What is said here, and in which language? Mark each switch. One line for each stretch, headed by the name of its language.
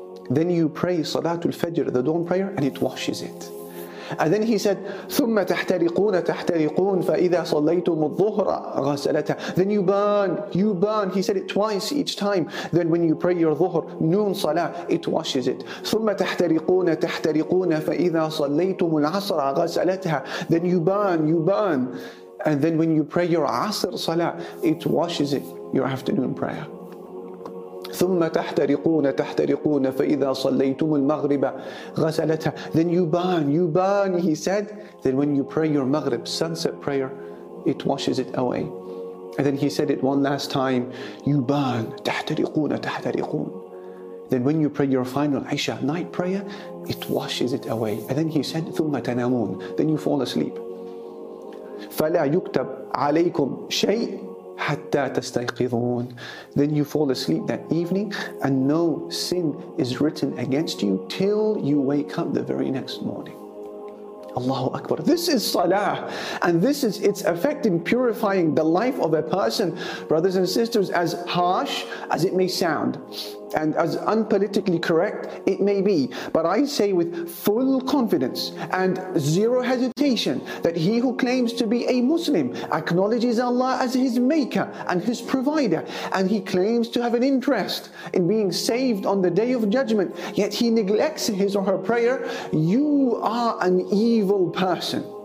English: Then you pray Salatul Fajr, the dawn prayer, and it washes it. And then he said,
Arabic: ثُمَّ تَحْتَرِقُونَ تَحْتَرِقُونَ فَإِذَا صَلَّيْتُمُ الظُّهْرَ غَسَلَتْهَا,
English: then you burn, you burn. He said it twice each time. Then when you pray your dhuhr, noon salah, it washes it.
Arabic: ثُمَّ تَحْتَرِقُونَ تَحْتَرِقُونَ فَإِذَا صَلَّيْتُمُ الْعَصْرَ غَسَلَتْهَا,
English: then you burn, you burn. And then when you pray your asr salah, it washes it, your afternoon prayer.
Arabic: ثم تحترقون تحترقون فإذا صليتم المغرب غسلتها.
English: Then you burn, he said. Then when you pray your Maghrib, sunset prayer, it washes it away. And then he said it one last time, you burn,
Arabic: تحترقون تحترقون.
English: Then when you pray your final Isha night prayer, it washes it away. And then he said,
Arabic: ثم تنامون.
English: Then you fall asleep.
Arabic: فلا يكتب عليكم شيء حتى تستيقظون.
English: Then you fall asleep that evening and no sin is written against you till you wake up the very next morning. Allahu Akbar. This is salah, and this is its effect in purifying the life of a person. Brothers and sisters, as harsh as it may sound and as unpolitically correct it may be, but I say with full confidence and zero hesitation that he who claims to be a Muslim acknowledges Allah as his maker and his provider, and he claims to have an interest in being saved on the day of judgment, yet he neglects his or her prayer, you are an evil person.